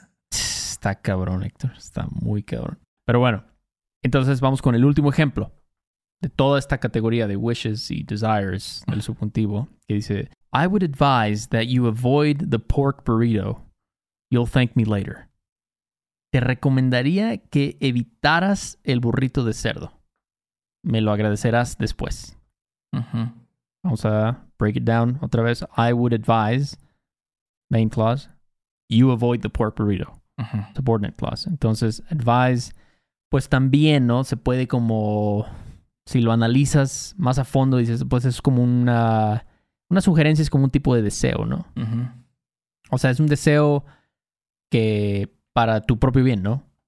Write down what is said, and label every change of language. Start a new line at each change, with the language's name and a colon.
Spanish: Está cabrón, Héctor. Está muy cabrón. Pero bueno, entonces vamos con el último ejemplo de toda esta categoría de wishes y desires del subjuntivo, que dice,
English: I would advise that you avoid the pork burrito. You'll thank me later.
Spanish: Te recomendaría que evitaras el burrito de cerdo. Me lo agradecerás después. Uh-huh. Vamos a
English: break it down
Spanish: otra vez.
English: I would advise, main clause, you avoid the pork burrito. Uh-huh. Subordinate clause.
Spanish: Entonces, advise, pues también, ¿no? Se puede como, si lo analizas más a fondo, dices, pues es como una sugerencia, es como un tipo de deseo, ¿no? Uh-huh. O sea, es un deseo que... para tu propio bien, ¿no?